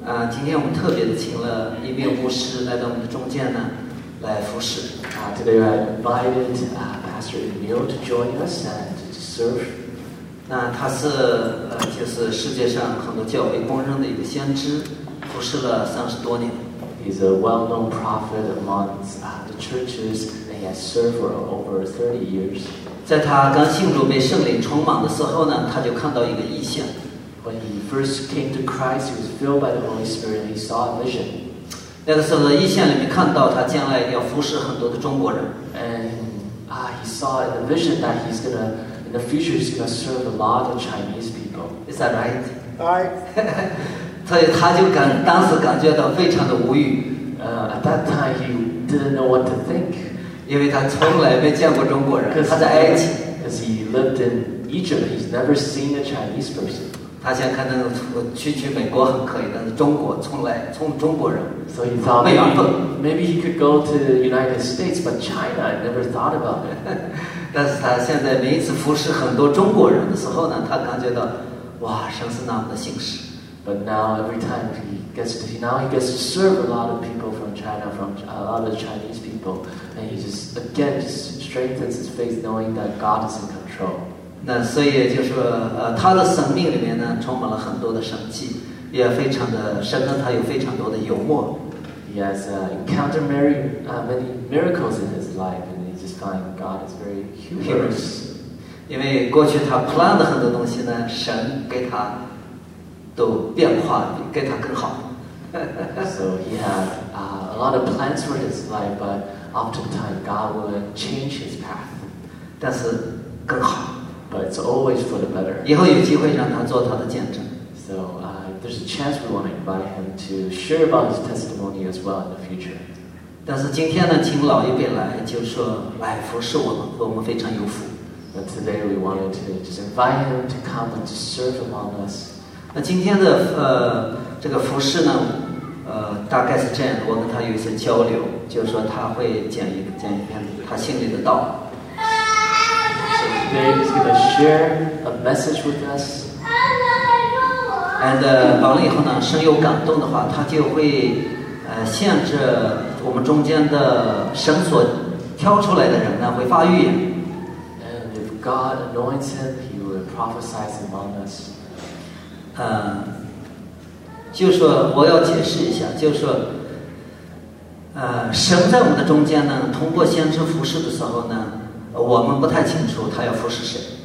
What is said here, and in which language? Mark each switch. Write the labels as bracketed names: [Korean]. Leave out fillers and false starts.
[Chinese] 今天我们特别的请了一位牧师来到我们的中间呢，来服侍。 [English] Today we invited Pastor Emil to join us and to serve. [Chinese] 那他是就是世界上很多教会公认的一个先知，服侍了30多年。 [English] He's a well-known prophet among the churches, and he has served for over 30 years. [Chinese] 在他刚信主被圣灵充满的时候呢，他就看到一个异象。 [English] When he first came to Christ, he was filled by the Holy Spirit, and he saw a vision. [Chinese] 那个时候异象里面看到他将来要服侍很多的中国人。 [English] And he saw in the vision that he's gonna, in the future, he's gonna serve a lot of Chinese people. Is that right? Right. [Chinese] 所以他就感当时感觉到非常的无语。 [English] At that time, he didn't know what to think. [Chinese] 因为他从来没见过中国人。他在埃及。 [English] Because he lived in Egypt, he's never seen a Chinese person. [Chinese] 他想可能去美国很可以，但是中国从中国人。 [English] So he thought maybe he could go to the United States, but China, I never thought about it. [Chinese] 但是他现在每一次服侍很多中国人的时候呢，他感觉到，哇，神是那么的信实。 [English] But now every time he gets to serve a lot of people from China, from a lot of Chinese people, and he just again just strengthens his faith, knowing that God is in control. [Chinese] 那所以就是他的生命里面呢，充满了很多的神迹，也非常的深刻，他有非常多的幽默。 [English] He has encountered many miracles in his life, and he just finds God is very humorous. [Chinese] 因为过去他 planned 很多东西呢，神给他。都变化比给他更好。 [English] So he had a lot of plans for his life, but often time God would change his path. [Chinese] 但是更好。 [English] But it's always for the better. [Chinese] 以后有机会让他做他的见证。 [English] So there's a chance we want to invite him to share about his testimony as well in the future. [Chinese] 但是今天呢，请老一辈来，就说来服侍我们，我们非常有福。 [English] But today we wanted to just invite him to come and to serve among us. [Chinese] 那今天的这个服饰呢，大概是这样的。我跟他有一些交流，就是说他会讲一篇他心里的道。 [English] So today he's going to share a message with us. [Chinese] And 完了以后呢，深有感动的话，他就会向着我们中间的神所挑出来的人呢，会发预言。 [English] And if God anoints him, he will prophesy among us. [Chinese] 就说我要解释一下，就说神在我们的中间呢，通过先知服侍的时候呢，我们不太清楚他要服侍谁。